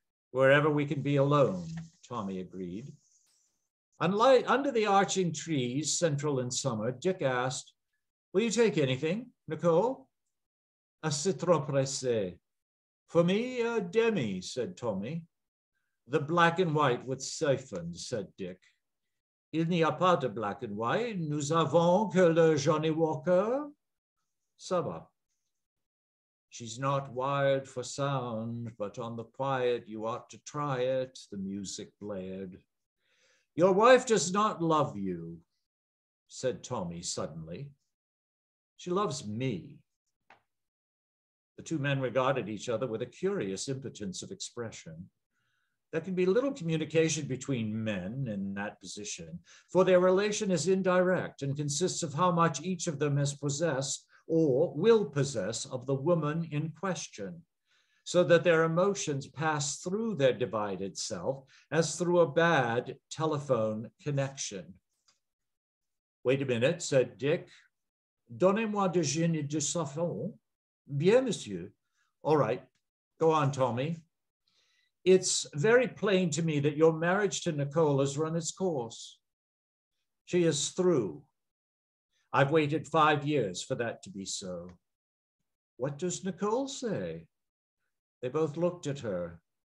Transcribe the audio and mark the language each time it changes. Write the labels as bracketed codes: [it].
[en] "Wherever we can be alone," Tommy agreed. Under the arching trees, central in summer, Dick asked, "Will you take anything, Nicole?" "A citron pressé." "For me, a demi," said Tommy. "The black and white with siphon," said Dick. [fr] "Il n'y a pas de black and white. Nous avons que le Johnny Walker." "Ça va." [en] "She's not wired for sound, but on the quiet, you ought to try it," the music blared. "Your wife does not love you," said Tommy suddenly. "She loves me." The two men regarded each other with a curious impotence of expression. There can be little communication between men in that position, for their relation is indirect and consists of how much each of them has possessed or will possess of the woman in question, so that their emotions pass through their divided self as through a bad telephone connection. "Wait a minute," said Dick. [fr] "Donnez-moi du gin et du savon." "Bien, monsieur." [en] "All right, go on, Tommy." "It's very plain to me that your marriage to Nicole has run its course. She is through. I've waited 5 years for that to be so." "What does Nicole say?" They both looked at her.